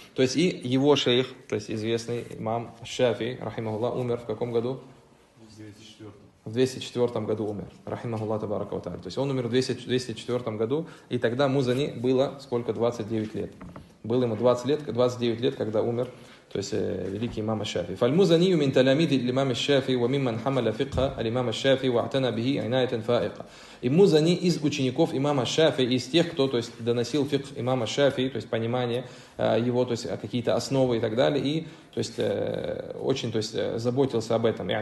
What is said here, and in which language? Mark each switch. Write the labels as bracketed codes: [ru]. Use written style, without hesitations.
[ru] То есть и его шейх, то есть известный имам Шафии, рахимахуллах, умер в каком году? В 204 году умер, рахимахуллах табарака ва тааля. То есть он умер в 204 году, и тогда Музани было сколько? 29 лет. Было ему 20 лет, 29 лет, когда умер. То есть великий имам аш-Шафии. [ar] فالمزني من تلاميذ الإمام الشافعي وممن حمل فقه الإمام الشافعي واعتنى به عناية فائقة. [ru] И Музани из учеников имама аш-Шафии, из тех, кто, то есть, доносил фикх имама аш-Шафии, то есть понимание его, то есть какие-то основы и так далее, и то есть очень, то есть заботился об этом.